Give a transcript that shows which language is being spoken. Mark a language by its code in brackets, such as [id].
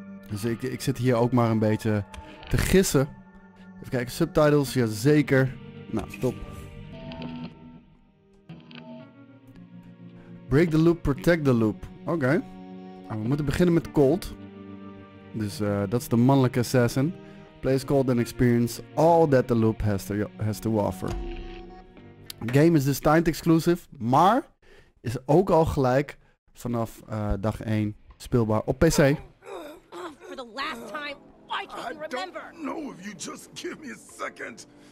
[nl] Dus ik zit hier ook maar een beetje te gissen. Even kijken, subtitles, ja zeker. Nou, top. [en] Break the loop, protect the loop. [nl] Oké. Nou, we moeten beginnen met Colt. Dus dat is de mannelijke assassin. [en] Play is Colt and experience all that the loop has to offer. Game is this timed exclusive, [nl] maar is ook al gelijk vanaf dag 1 speelbaar op PC. [en] For the last time, why can't you remember? I don't know if you just give me a second.